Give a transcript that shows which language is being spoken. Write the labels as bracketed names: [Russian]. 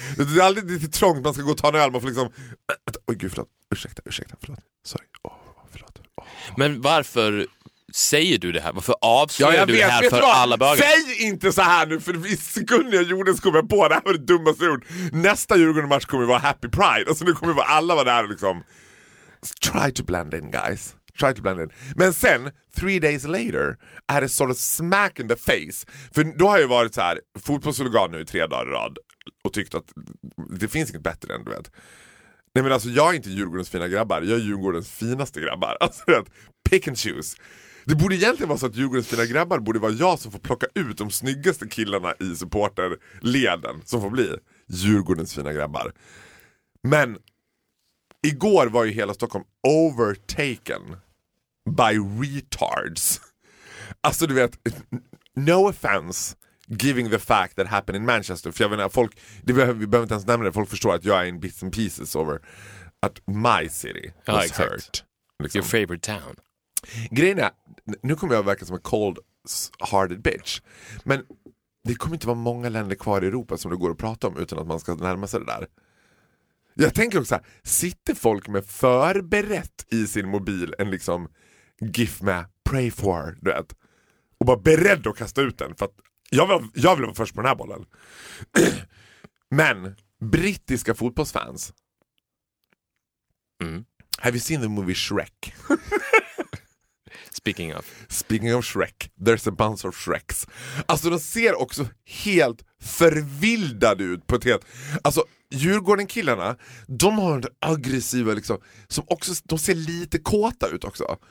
[Swedish] Det är alltid lite trångt, man ska gå och ta en öl, man får liksom, oj gud förlåt, ursäkta, förlåt, sorry, förlåt. Men varför säger du det här? Varför avslöjar du det här för alla bögar? Säg inte så här nu, för i sekunden jag gjorde så kom jag på det här, var det dummaste ord. Nästa Djurgården-match kommer vara Happy Pride, alltså nu kommer alla vara där liksom. [English] Try to blend in guys. [Swedish] Men sen, [English] 3 days later, I had a sort of smack in the face. [Swedish] För då har jag varit så här, fotbollshuligan nu 3 dagar i rad. Och tyckt att det finns inget bättre än, du vet. Nej men alltså, jag är inte Djurgårdens fina grabbar. Jag är Djurgårdens finaste grabbar. Alltså, vet, [English] pick and choose. [Swedish] Det borde egentligen vara så att Djurgårdens fina grabbar borde vara jag som får plocka ut de snyggaste killarna i supporterleden. Som får bli Djurgårdens fina grabbar. Men igår var ju hela Stockholm [English] overtaken by retards. [Swedish] Alltså du vet, [English] no offense giving the fact that happened in Manchester. [Swedish] För jag menar, folk, det behöver, vi behöver inte ens nämna det. Folk förstår att jag är [English] in bits and pieces over [Swedish] att [English] my city was like hurt. It. [Swedish] Liksom. [English] Your favorite town. [Swedish] Grejen är, nu kommer jag att verka som en [English] cold-hearted bitch. [Swedish] Men det kommer inte vara många länder kvar i Europa som det går att prata om utan att man ska närma sig det där. Jag tänker också här, sitter folk med förberett i sin mobil en liksom gif med [English] pray for, [Swedish] du vet, och bara beredd att kasta ut den, för att jag vill vara först på den här bollen. Men brittiska fotbollsfans, [English] have you seen the movie Shrek? Speaking of Shrek, there's a bunch of Shreks. [Swedish] Alltså de ser också helt förvildade ut på ett helt, alltså Djurgården killarna, de har en aggressiva liksom, som också, de ser lite kåta ut också.